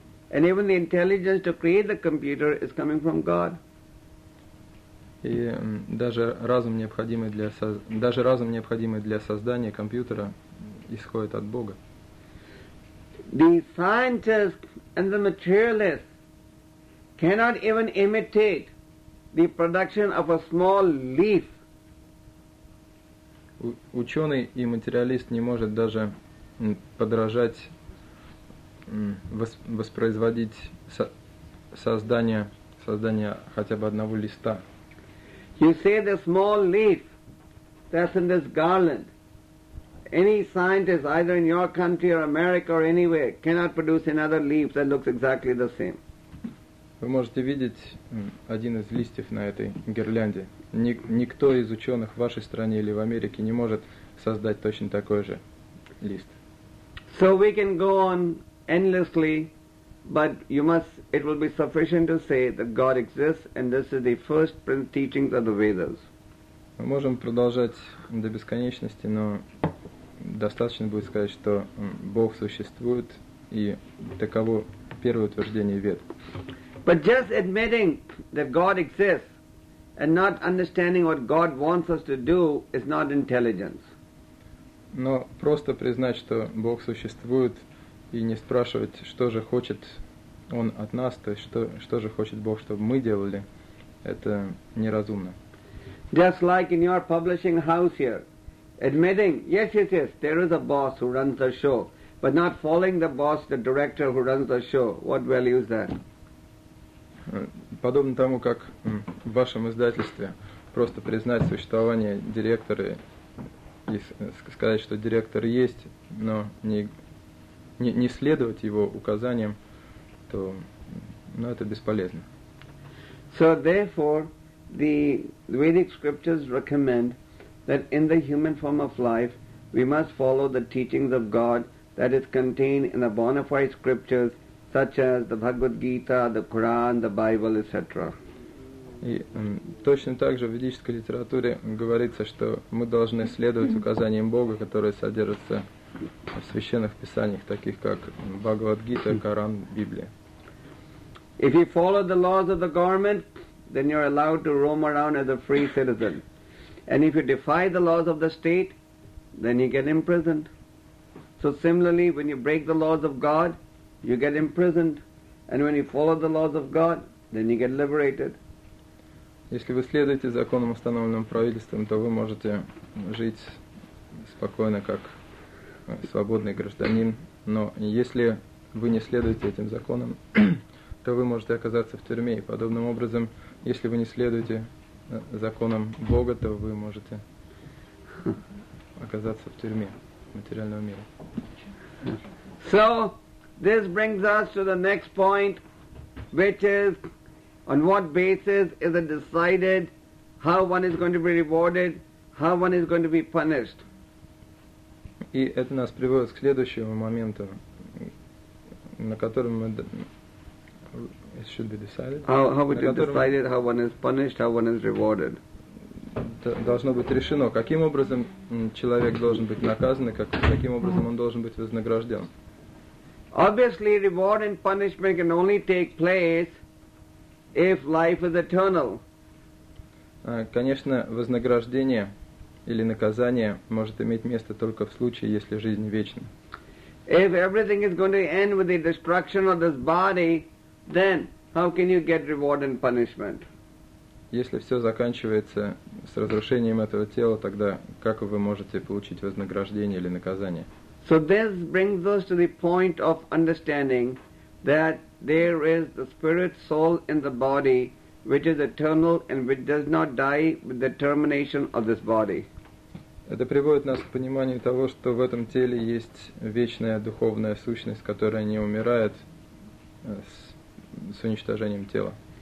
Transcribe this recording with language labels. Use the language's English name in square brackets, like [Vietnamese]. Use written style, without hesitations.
[English] And even the intelligence to create the computer is coming from God. [Russian] И даже разум, необходимый для создания компьютера, исходит от Бога. [English] The scientists and the materialists cannot even imitate the production of a small leaf. [Russian] Ученый и материалист не может даже подражать, воспроизводить создание хотя бы одного листа. [English] You say the small leaf that's in this garland, any scientist, either in your country or America or anywhere, cannot produce another leaf that looks exactly the same. [Russian] Вы можете видеть один из листьев на этой гирлянде. Никто из ученых в вашей стране или в Америке не может создать точно такой же лист. [English] So we can go on endlessly, but it will be sufficient to say that God exists, and this is the first teachings of the Vedas. [Russian] Мы можем продолжать до бесконечности, но достаточно будет сказать, что Бог существует, и таково первое утверждение Вед. [English] But just admitting that God exists and not understanding what God wants us to do is not intelligence. [Russian] Но просто признать, что Бог существует, и не спрашивать, что же хочет Он от нас, то есть что же хочет Бог, чтобы мы делали, это неразумно. [English] Just like in your publishing house here, admitting, yes, there is a boss who runs the show, but not following the boss, the director who runs the show, what value is that? [Russian] Подобно тому, как в вашем издательстве просто признать существование директора и сказать, что директор есть, но не следовать его указаниям, то это бесполезно. [English] So therefore, the Vedic scriptures recommend that in the human form of life, we must follow the teachings of God that is contained in the bona fide scriptures, such as the Bhagavad Gita, the Quran, the Bible, etc. [Russian] И точно так же в ведической литературе говорится, что мы должны следовать указаниям Бога, которые содержатся в священных писаниях, таких как Бхагавад-гита, Коран, Библия. [English] If you follow the laws of the government, then you're allowed to roam around as a free citizen. And if you defy the laws of the state, then you get imprisoned. So similarly, when you break the laws of God, you get imprisoned. And when you follow the laws of God, then you get liberated. [Russian] Если вы следуете законам, установленным правительством, то вы можете жить спокойно, как свободный гражданин, но если вы не следуете этим законам, то вы можете оказаться в тюрьме. И подобным образом, если вы не следуете законам Бога, то вы можете оказаться в тюрьме материального мира. [English] So, this brings us to the next point, which is, on what basis is it decided how one is going to be rewarded, how one is going to be punished? [Russian] И это нас приводит к следующему моменту, на котором мы [English] it should be decided. How would you decide it? How one is punished, how one is rewarded? [Russian] Должно быть решено, каким образом человек должен быть наказан, и каким образом он должен быть вознагражден. [English] Obviously, reward and punishment can only take place if life is eternal. [Russian] Конечно, вознаграждение или наказание может иметь место только в случае, если жизнь вечна. [English] If everything is going to end with the destruction of this body, then how can you get reward and punishment? [Russian] Если все заканчивается с разрушением этого тела, тогда как вы можете получить вознаграждение или наказание? [English] So this brings us to the point of understanding that there is the spirit soul in the body which is eternal and which does not die with the termination of this body. [Russian] Это приводит нас к пониманию того, что в этом теле есть вечная духовная сущность, которая не умирает с уничтожением тела.